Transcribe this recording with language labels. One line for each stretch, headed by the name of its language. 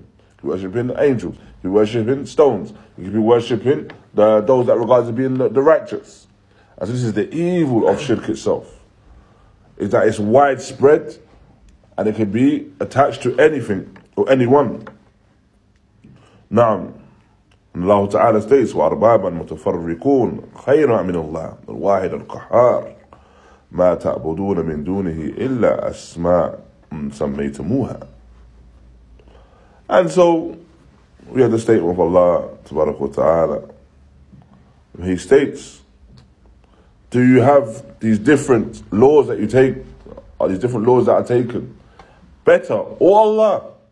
English: He could be worshipping angels, he could be worshipping stones, he could be worshipping those that regard as being the righteous. And so this is the evil of shirk itself, is that it's widespread and it can be attached to anything or anyone.
Arabic: Naam.
English: Allah Ta'ala states,
Arabic: وَأَرْبَابًا مُتَفَرِّقُونَ خَيْرًا مِنَ اللَّهِ الْوَاحِدَ الْقَحَارِ. ما تعبدون من دونه إلا أسماء سميتموها.
English: And so we have the statement of Allah تبارك وتعالى. He states, do you have these different laws that you take, or these different laws that are taken, better, or Allah?